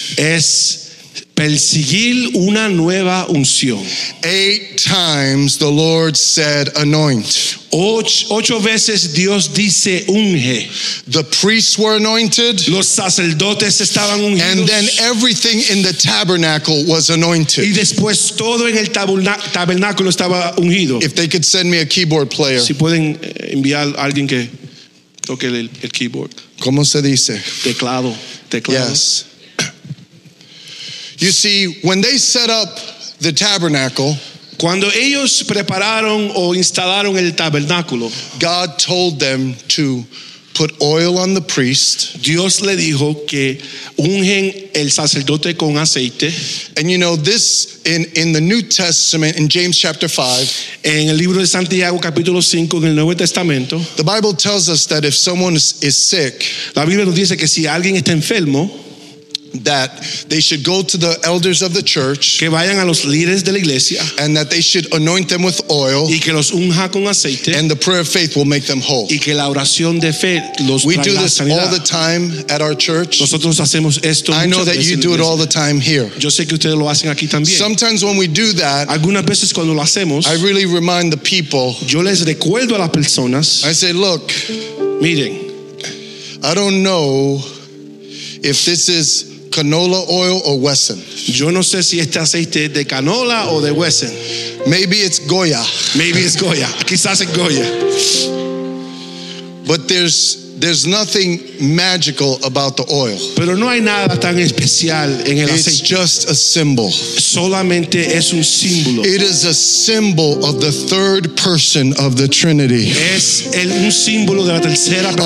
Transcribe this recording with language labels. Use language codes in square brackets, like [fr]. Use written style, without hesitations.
[es] Es perseguir una nueva unción. [en] 8 times the Lord said anoint. [es] 8 veces Dios dice unge. [en] The priests were anointed. [es] Los sacerdotes estaban ungidos. [en] And then everything in the tabernacle was anointed. [es] Y después todo en el tabernáculo estaba ungido. [en] If they could send me a keyboard player. [es] Si pueden enviar a alguien que toque el keyboard. ¿Cómo se dice? Teclado. [en] Yes. You see, when they set up the tabernacle, [es] cuando ellos prepararon o instalaron el tabernáculo, [en] God told them to put oil on the priest. [es] Dios le dijo que ungen el sacerdote con aceite. [en] And you know this in the New Testament in James chapter 5, [es] en el libro de Santiago capítulo 5 en el Nuevo Testamento, [en] the Bible tells us that if someone is sick, [es] la Biblia nos dice que si alguien está enfermo, [en] that they should go to the elders of the church, [es] que vayan a los líderes de la iglesia, [en] and that they should anoint them with oil, [es] y que los unja con aceite, [en] and the prayer of faith will make them whole. [es] Y que la oración de fe los [en] we do [es] la [en] this [es] sanidad. [en] All the time at our church. [es] Nosotros hacemos esto [en] I know that you do it all the time here. [es] Yo sé que ustedes lo hacen aquí también. [en] Sometimes when we do that, [es] algunas veces cuando lo hacemos, [en] I really remind the people, [es] yo les recuerdo a las personas, [en] I say, look, [es] miren, [en] I don't know if this is canola oil or Wesson. [es] Yo no sé si este aceite es de canola o de Wesson. [en] Maybe it's Goya. Maybe it's Goya. [es] Quizás es Goya. [en] But there's nothing magical about the oil. [es] Pero no hay nada tan especial en el aceite. [en] It's just a symbol. [es] Solamente es un símbolo. [en] It is a symbol of the third person of the Trinity. [es] Es el un símbolo de la tercera persona.